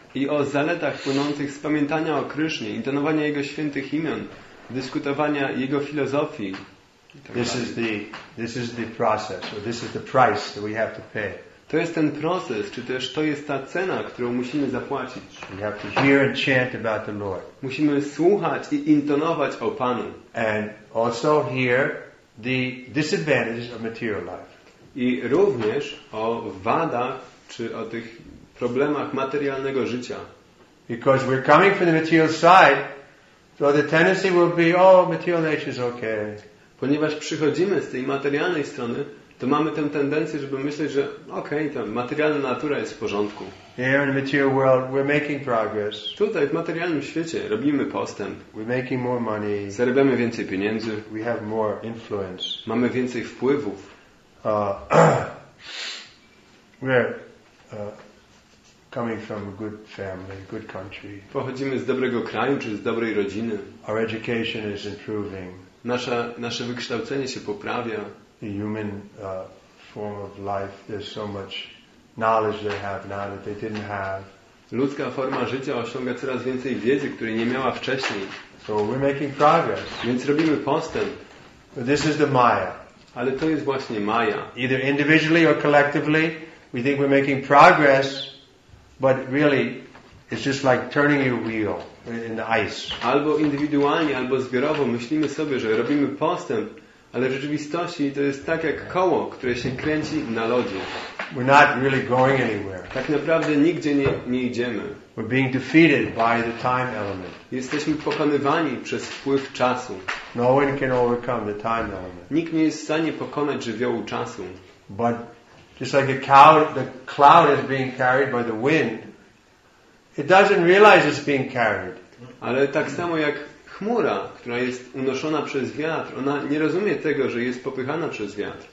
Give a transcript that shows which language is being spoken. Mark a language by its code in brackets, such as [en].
[pl] I o zaletach płynących z pamiętania o Krishnie, intonowania jego świętych imion, dyskutowania jego filozofii. [en] This is the process, or this is the price that we have to pay [pl] To jest ten proces, czy też to jest ta cena, którą musimy zapłacić. [en] We have to hear and chant about the Lord. [pl] Musimy słuchać i intonować o Panu. [en] And also hear the disadvantages of material life. [pl] I również o wadach, czy o tych problemach materialnego życia. [en] Because we're coming from the material side, so the tendency will be, oh, material nature is okay. [pl] Ponieważ przychodzimy z tej materialnej strony, to mamy tę tendencję, żeby myśleć, że okej, okay, ta materialna natura jest w porządku. [en] Here in the material world, we're making progress. [pl] Tutaj, w materialnym świecie, robimy postęp. [en] We're making more money. [pl] Zarabiamy więcej pieniędzy. [en] We have more influence. [pl] Mamy więcej wpływów. [en] Coming from a good family, good country. [pl] Pochodzimy z dobrego kraju, czy z dobrej rodziny. [en] Our education is improving. [pl] Nasze wykształcenie się poprawia. [en] The human form of life, there's so much knowledge they have now that they didn't have. [pl] Ludzka forma życia osiąga coraz więcej wiedzy, której nie miała wcześniej. [en] So we're making progress. [pl] Więc robimy postęp. [en] But this is the Maya. [pl] Ale to jest właśnie Maya. [en] Either individually or collectively, we think we're making progress. But really, it's just like turning your wheel in the ice. [pl] Albo indywidualnie, albo zbiorowo myślimy sobie, że robimy postęp, ale w rzeczywistości to jest tak jak koło, które się kręci na lodzie. [en] We're not really going anywhere. [pl] Tak naprawdę nigdzie nie idziemy. [en] We're being defeated by the time element. [pl] Jesteśmy pokonywani przez wpływ czasu. [en] No one can overcome the time element. [pl] Nikt nie jest w stanie pokonać żywiołu czasu. [en] But just like a cow, the cloud is being carried by the wind. It doesn't realize it's being carried. [pl] Ale tak samo jak chmura, która jest unoszona przez wiatr, ona nie rozumie tego, że jest popychana przez wiatr.